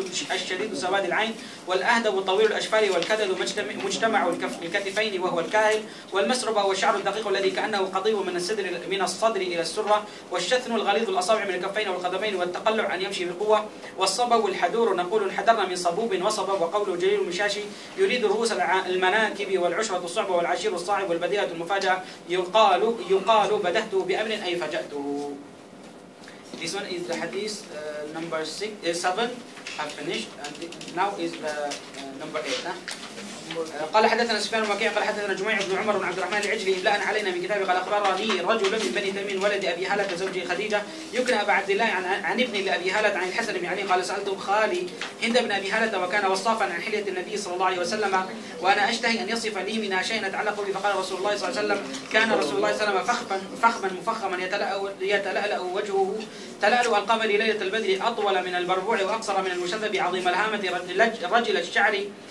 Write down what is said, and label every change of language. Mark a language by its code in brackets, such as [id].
[ar] الشديد سواد العين والأهدب طويل الأشفار والكدد مجتمع الكتفين وهو الكاهل والمسربة والشعر الدقيق الذي كأنه قضيب من الصدر من الصدر إلى السرة والشثن الغليظ الأصابع من الكفين والقدمين والتقلع أن يمشي بقوة والصبب الحدور نقول انحدرنا من صبوب وصبب وقوله جليل المشاشي يريد رؤوس المناكب والعشرة الصعبة والعشير الصعب والبديهة المفاجأة يقال بدهته بأمن أي فجأته. [en] This one is the hadith number 6, 7 have finished and now is the number 8. [ar] قال حدثنا سفيان المكي قال حدثنا جميع بن عمر بن عبد الرحمن العجلي إبلاء علينا من كتابه قال أخبرني رجل من بني تميم ولد أبي هالة زوجي خديجة يكنى أبا عبد الله عن ابن لأبي هالة عن الحسن بن علي قال سألته خالي هند بن أبي هالة وكان وصافا عن حلية النبي صلى الله عليه وسلم وأنا أشتهي أن يصف لي من شيء أتعلق به فقال رسول الله صلى الله عليه وسلم كان رسول الله صلى الله عليه وسلم فخما مفخما يتلألأ وجهه تلألؤ القمر ليلة البدر أطول من البربوع وأقصر من المشذب عظيم الهامة رجل الشعر